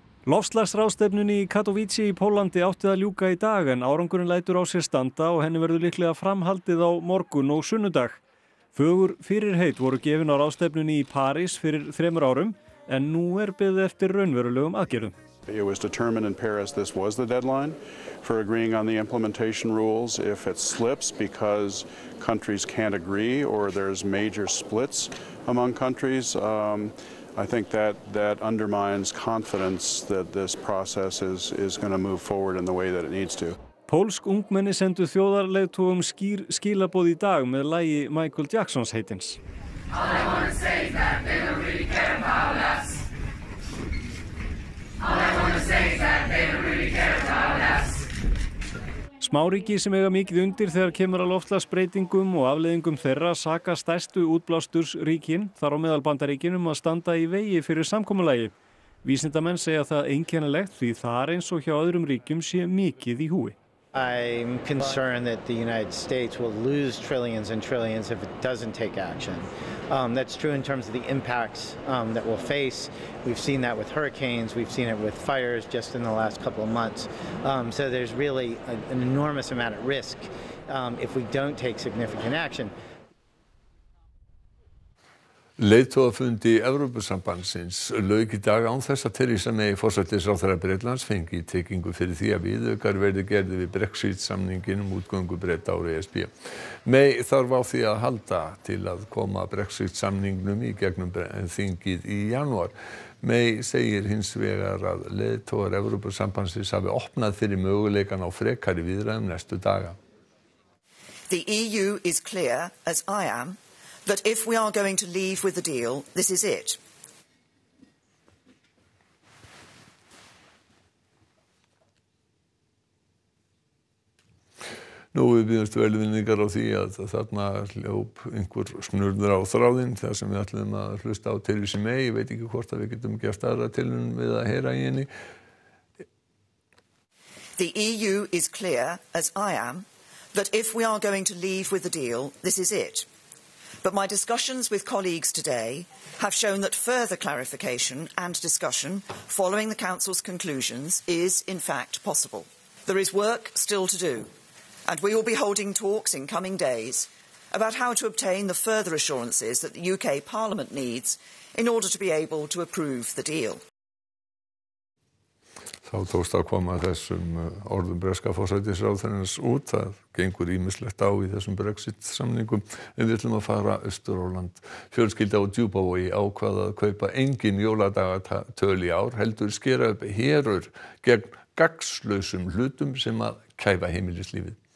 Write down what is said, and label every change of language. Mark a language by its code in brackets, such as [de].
[is] Loftslagsráðstefnunni í Katowice í Póllandi átti að ljúka í dag en árangurinn lætur á sér standa og henni verður líklega framhaldið á morgun og sunnudag. Fögur fyrirheit voru gefin á ráðstefnunni í París fyrir þremur árum en nú beðið eftir raunverulegum aðgerðum. [en] It was determined in Paris this was the deadline for agreeing on the implementation rules. If it slips because countries can't agree or there's major splits among countries, I think that undermines confidence that this process is going to move forward in the way that it needs to. [is] Pólsk ungmenni sendu þjóðarleiðtogum skýr skilaboð í dag með lagi Michael Jacksons heitins. [en] All I want to say is that they don't really care about us. All I want to say is that they don't really [is] Smáríki sem eiga mikið undir þegar kemur að loftslagsbreytingum og afleiðingum þeirra saka stærstu útblástursríkin, þar á meðal Bandaríkin, að standa í vegi fyrir samkomulagi. Vísindamenn segja það einkennilegt því þar eins og hjá öðrum ríkjum sé mikið í húfi. [en] I'm concerned that the United States will lose trillions and trillions if it doesn't take action. That's true in terms of the impacts that we'll face. We've seen that with hurricanes, we've seen it with fires just in the last couple of months. So there's really an enormous amount at risk if we don't take significant action. [is] Leiðtogafundi Evrópusambandsins lauk í dag án þess að Theresa May forsætisráðherra Bretlands fengi tekingu fyrir því að viðaukar verði gerðir við Brexit-samninginn útgöngu Breta úr ESB. May þarf á því að halda til að koma Brexit-samningnum í gegnum þingið í janúar. May segir hins vegar að leiðtogar Evrópusambandsins hafi opnað fyrir möguleikan á frekari viðræðum næstu daga. [en] The EU is clear, as I am, that if we are going to leave with the deal, this is it. [is] Nú við byggjumst velvinningar á því að þarna hljóp einhver snurður á þráðinn þar sem við ætlum að hlusta á Theresa May. Ég veit ekki hvort að við getum gert aðra tilhugun við að heyra í henni. [en] The EU is clear, as I am, that if we are going to leave with the deal, this is it. But my discussions with colleagues today have shown that further clarification and discussion following the Council's conclusions is, in fact, possible. There is work still to do, and we will be holding talks in coming days about how to obtain the further assurances that the UK Parliament needs in order to be able to approve the deal. [is] Þá tókst að koma þessum orðum breska forsætisráðherrans út. Það gengur ýmislegt á í þessum Brexit-samningum. En við ætlum að fara austur á land. Fjölskylda á Djúpavogi ákvað að kaupa engin jóladagatöl í ár, heldur skera upp herur gegn gagnslausum hlutum sem að kæfa heimilislífið.